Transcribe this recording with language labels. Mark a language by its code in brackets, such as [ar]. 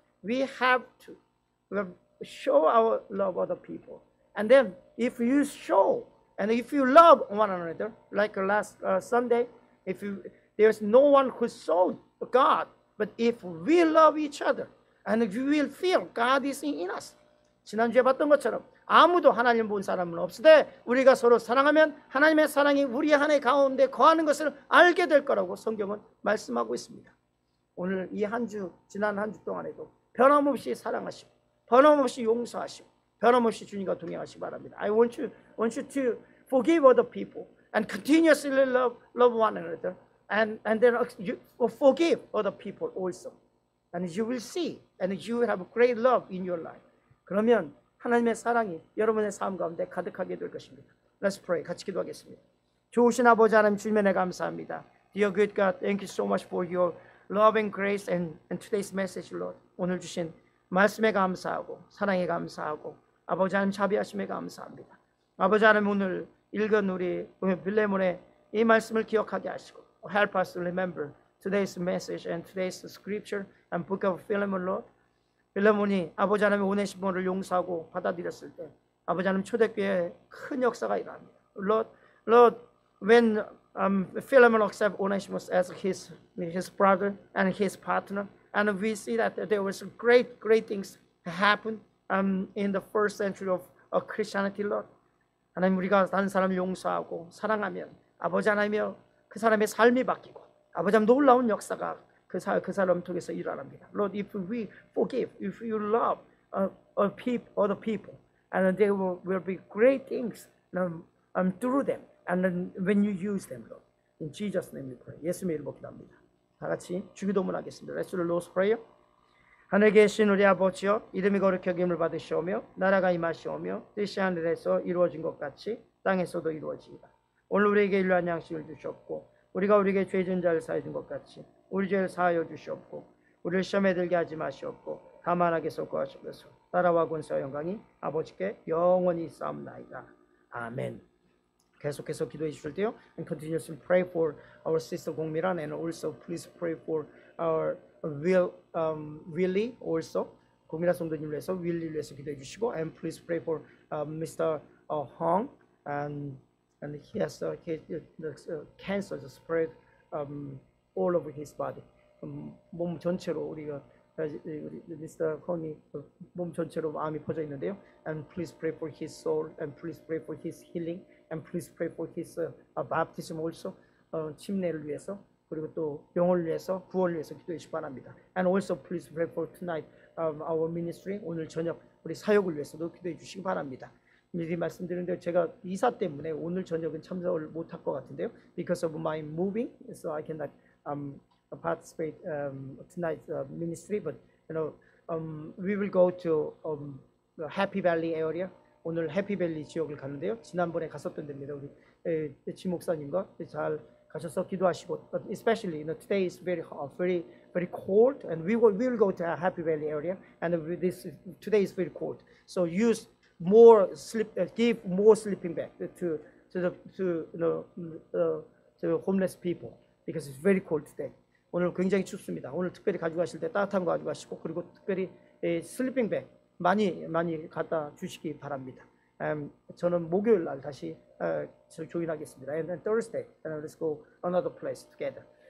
[en] We have to show our love other people. And then if you show, and if you love one another, like last Sunday, there's no one who saw God, but if we love each other, and we will feel God is in us. [ko] 지난주에 봤던 것처럼 아무도 하나님 본 사람은 없으되 우리가 서로 사랑하면 하나님의 사랑이 우리 안에 가운데 거하는 것을 알게 될 거라고 성경은 말씀하고 있습니다. 오늘 이 한 주, 지난 한 주 동안에도 변함없이 사랑하시고 변함없이 용서하시고 변함없이 주님과 동행하시기 바랍니다. [en] I want you to forgive other people and continuously love one another and then you forgive other people also. And you will see and you will have great love in your life. [ko] 그러면 하나님의 사랑이 여러분의 삶 가운데 가득하게 될 것입니다. [en] Let's pray. [ko] 같이 기도하겠습니다. 좋으신 아버지 하나님 주님의 내 감사합니다. [en] Dear good God, thank you so much for your loving grace and today's message, Lord. [ko] 오늘 주신 말씀에 감사하고 사랑에 감사하고 아버지 하나님 자비하심에 감사합니다. 아버지 하나님 오늘 읽은 우리 빌레몬의 이 말씀을 기억하게 하시고 Help us to remember today's message and today's scripture and book of Philemon, Lord. 빌레몬이 아버지 하나님의 오네시모를 용서하고 받아들였을 때 아버지 하나님 초대교회에 큰 역사가 일어납니다. [en] Lord, when Philemon accepted Onesimus as his brother and his partner, and we see that there was great things happened in the first century of Christianity, Lord. [ko] 하나님 우리가 다른 사람을 용서하고 사랑하면 아버지 하나님이여 그 사람의 삶이 바뀌고 아버지 하나님 놀라운 역사가 그 사람 통해서 일어납니다. [en] Lord, if we forgive, if you love other people, and there will be great things through them, and then when you use them, Lord. In Jesus' name we pray. [ko] 예수의 이름으로 기도합니다. 다 같이 주기도문 하겠습니다. [en] Let's do the Lord's Prayer. 하늘에 계신 우리 아버지여, 이름이 거룩히 여김을 받으시오며, 나라가 임하시오며, 뜻이 하늘에서 이루어진 것 같이 땅에서도 이루어지이다. 오늘 우리에게 일용할 양식을 주셨고, 우리가 우리에게 죄 지은 자를 사해준 것 같이 우리 죄를 사하여 주시옵고 우리를 시험에 들게 하지 마시옵고 다만 악에서 구하시옵소서. 나라와 권세와 영광이 아버지께 영원히 쌓옵나이다. 아멘. 계속해서 기도해 주실 때요. And continuously pray for our sister 공미란 and also please pray for our Willie also. [ko] 공미란 성도님을 위해서 Willie를 위해서 기도해 주시고 [en] and please pray for Mr. Hong and he has cancer just spread all over his body. [ko] 몸 전체로 우리가 Mr. Hong이 몸 전체로 암이 퍼져 있는데요. [en] And please pray for his soul and please pray for his healing and please pray for his baptism also. [ko] 침례를 위해서 그리고 또 영혼을 위해서 구원을 위해서 기도해주시기 바랍니다. [en] And also please pray for tonight our ministry. [ko] 오늘 저녁 우리 사역을 위해서도 기도해주시기 바랍니다. 미리 말씀드리는데 제가 이사 때문에 오늘 저녁은 참석을 못할 것 같은데요. [en] Because of my moving, so I cannot participate tonight's ministry. But you know, we will go to Happy Valley area. [ko] 오늘 Happy Valley 지역을 가는데요. 지난번에 갔었던 데입니다. 우리 지 목사님과 잘 가셔서 기도하시고, [en] but especially you know, today is very hot, very very cold, and we will go to a Happy Valley area, and today is very cold. So use more sleep, give more sleeping bag to homeless people because it's very cold today. [ko] 오늘 굉장히 춥습니다. 오늘 특별히 가져가실 때 따뜻한 거 가져가시고 그리고 특별히 슬리핑 백 많이 많이 갖다 주시기 바랍니다. 저는 목요일 날 다시 조인하겠습니다. [en] And then Thursday, and let's go another place together.